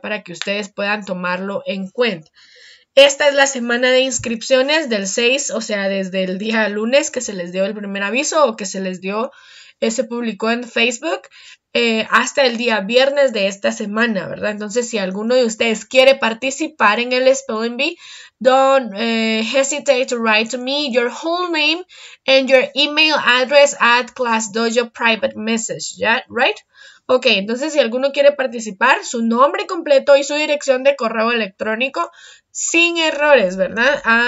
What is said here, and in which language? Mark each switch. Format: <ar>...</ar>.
<es>Para que ustedes puedan tomarlo en cuenta. Esta es la semana de inscripciones del 6, o sea, desde el día lunes que se les dio el primer aviso o que se les dio, se publicó en Facebook, hasta el día viernes de esta semana, ¿verdad? Entonces, si alguno de ustedes quiere participar en el Spelling Bee,</es> <en>Don't hesitate to write to me your whole name and your email address at Class Dojo private message, yeah? Right?</en> <es>Okay, entonces si alguno quiere participar, su nombre completo y su dirección de correo electrónico sin errores, ¿verdad?</es>